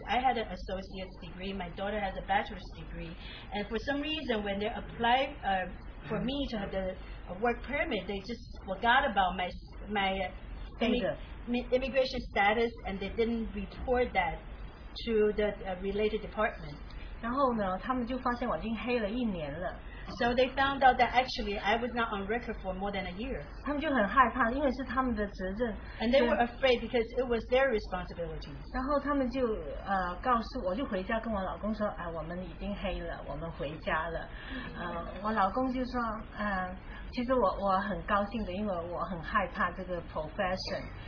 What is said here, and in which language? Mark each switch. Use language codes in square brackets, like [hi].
[en] I had an associate's degree. My daughter has a bachelor's degree. And for some reason, when they applied for me to have the work permit, they just forgot about my immigration status, and they didn't report that to the related department. [zh] 然后呢，他们就发现我已经黑了一年了。 [en] So they found out that actually I was not on record for more than a year. [zh] 他们就很害怕，因为是他们的责任。 [en] And they were afraid because it was their responsibility. [zh] 然后他们就告诉我，就回家跟我老公说，哎，我们已经黑了，我们回家了。我老公就说，其实我很高兴的，因为我很害怕这个 profession。